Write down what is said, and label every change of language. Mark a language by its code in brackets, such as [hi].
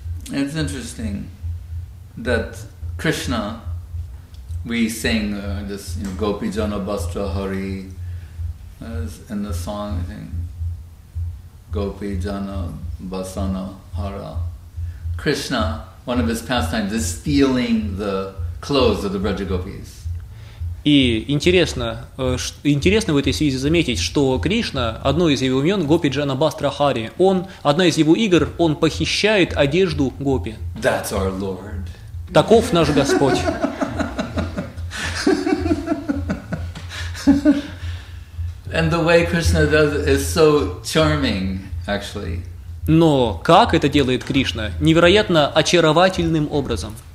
[en] It's interesting that Krishna, we sing this, you know, Gopi Jana Bastra Hari, in the song, I think, Gopi Jana Basana Hara. Krishna, one of his pastimes is stealing the clothes of the Braja Gopis. [ru] И интересно в этой связи заметить, что Кришна, одно из его имен, Гопи Джана Бастра Хари, он, одна из его игр, он похищает одежду Гопи. [en] That's our Lord. [ru] Таков наш Господь. [en] And the way Krishna does it is so charming, actually. [ru] Но как это делает Кришна? Невероятно очаровательным образом.